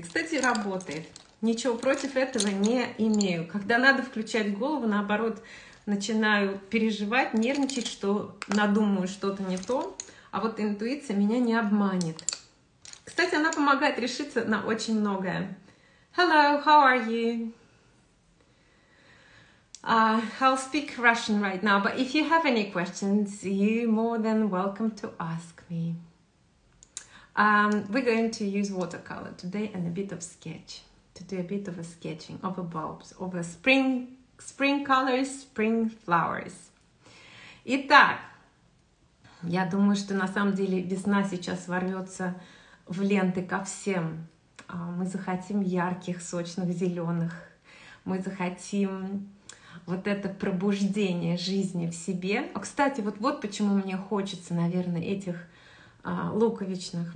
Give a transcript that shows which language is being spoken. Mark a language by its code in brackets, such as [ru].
[ru] Кстати, работает. Ничего против этого не имею. Когда надо включать голову, наоборот, начинаю переживать, нервничать, что надумаю что-то не то. А вот интуиция меня не обманет. Кстати, она помогает решиться на очень многое. [en] Hello, how are you? I'll speak Russian right now, but if you have any questions, you're more than welcome to ask me. We're going to use watercolor today and a bit of sketch, to do a bit of a sketching of a bulbs, of a spring colors, spring flowers. [ru] Итак, я думаю, что на самом деле весна сейчас ворвется в ленты ко всем. Мы захотим ярких, сочных, зеленых. Мы захотим... Вот это пробуждение жизни в себе. А, кстати, вот почему мне хочется, наверное, этих луковичных.